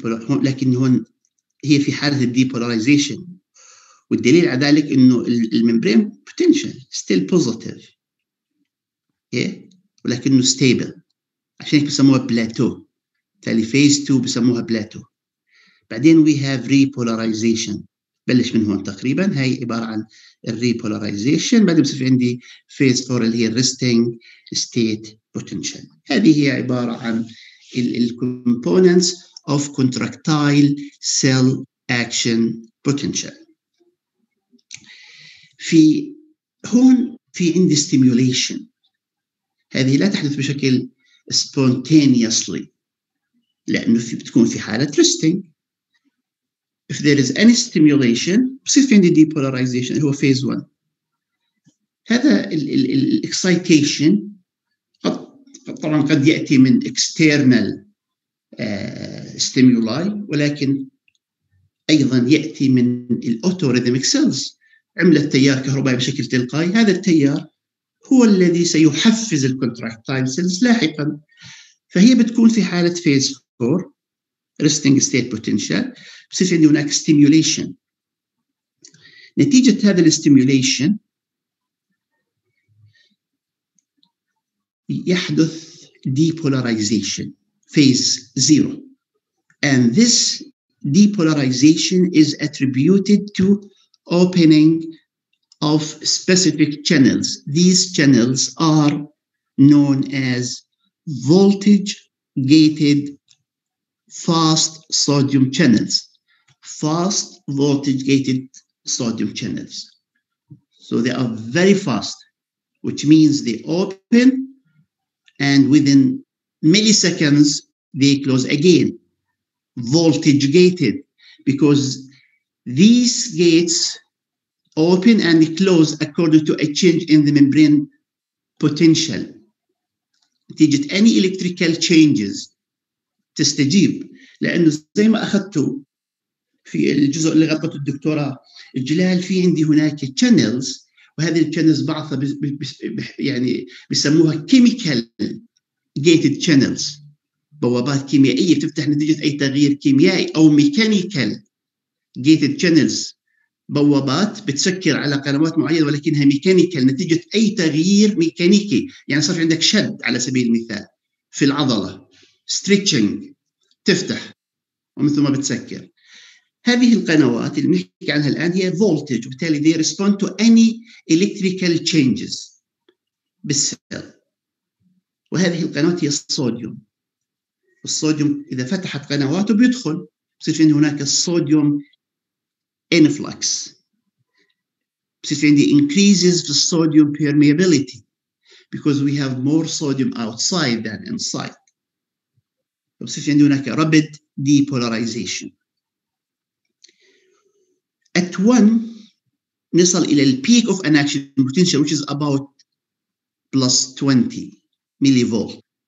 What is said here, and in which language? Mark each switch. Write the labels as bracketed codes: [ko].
[ar] لكن هون هي في حالة depolarization, والدليل على ذلك إنه الممبرين potential still positive, yeah, ولكنه stable, عشان بسموها plateau. تالي phase 2 بسموها plateau. بعدين [en] we have repolarization, [ar] بلش من هون تقريبا, هاي عبارة عن repolarization. بعدين بصير عندي phase 4 اللي هي resting state potential. هذه هي عبارة عن ال components of contractile cell action potential. في هون في عندي stimulation, هذه لا تحدث بشكل spontaneously لأنه في بتكون في حالة resting. [en] If there is any stimulation, [ar] بصير في عندي [en] depolarization هو phase one. [ar] هذا ال excitation طبعاً قد يأتي من external stimuli ولكن أيضاً يأتي من ال autorhythmic cells. عمل التيار كهربائي بشكل تلقائي، هذا التيار هو الذي سيحفز contractile cells لاحقاً. فهي بتكون في حالة phase 4 resting state potential، بصير عندي هناك stimulation. نتيجة هذا الstimulation يحدث [en] depolarization phase 0 and this depolarization is attributed to opening of specific channels. These channels are known as voltage-gated fast sodium channels. Fast voltage-gated sodium channels. So they are very fast, which means they open and within milliseconds, they close again. Voltage-gated, because these gates open and close according to a change in the membrane potential. [ar] تيجي [en] any electrical changes [ar] تستجيب، لأنه زي ما أخذته في الجزء اللي غطته الدكتورة الجلال، في عندي هناك channels وهذه channels بعضها يعني بيسموها chemical gated channels، بوابات كيميائية تفتح نتيجة أي تغيير كيميائي، أو mechanical gated channels بوابات بتسكر على قنوات معينة ولكنها ميكانيكال نتيجة أي تغيير ميكانيكي، يعني صار عندك شد على سبيل المثال في العضلة stretching تفتح ومثل ما بتسكر. هذه القنوات اللي نحكي عنها الآن هي voltage، وبالتالي [en] they respond to any electrical changes [ar] بالسيل، وهذه القنوات هي الصوديوم. الصوديوم إذا فتحت قنواته بيدخل، بصير في هناك الصوديوم influx. بصير عندي [en] increases the sodium permeability because we have more sodium outside than inside. [ar] بصير عندي هناك rapid depolarization. [en] At one [ar] نصل إلى [en] the peak of an action potential which is about plus 20 millivolt.